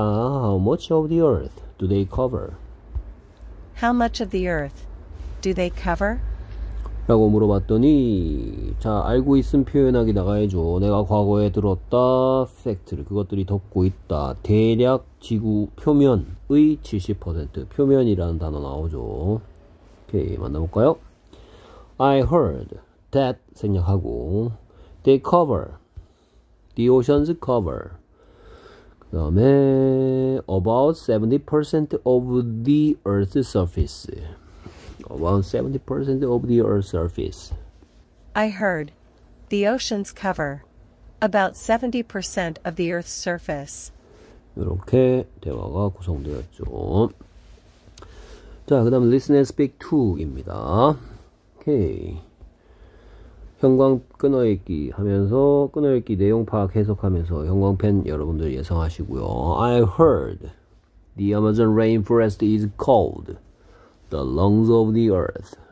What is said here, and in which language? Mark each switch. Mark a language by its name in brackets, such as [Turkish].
[English] How much of the earth do they cover? How much of the earth do they cover? [Korean] 라고 물어봤더니 자 알고 있음 표현하기 나가야죠. 내가 과거에 들었다 팩트를 그것들이 덮고 있다 대략 지구 표면의 70% 표면이라는 단어 나오죠. 오케이 만나볼까요? [English] I heard that [Korean] 생략하고 [English] they cover the oceans cover [Korean] 그 다음에 [English] about 70% of the earth's surface. About 70% of the Earth's surface. I heard the oceans cover about 70% of the Earth's surface. [Korean] 이렇게 대화가 구성되었죠. 자, 그 다음 Listen and Speak To입니다. 오케이. 형광 끊어읽기 하면서 끊어읽기 내용 파악 해석하면서 형광펜 여러분들 예상하시고요. [English] I heard the Amazon rainforest is called The lungs of the earth.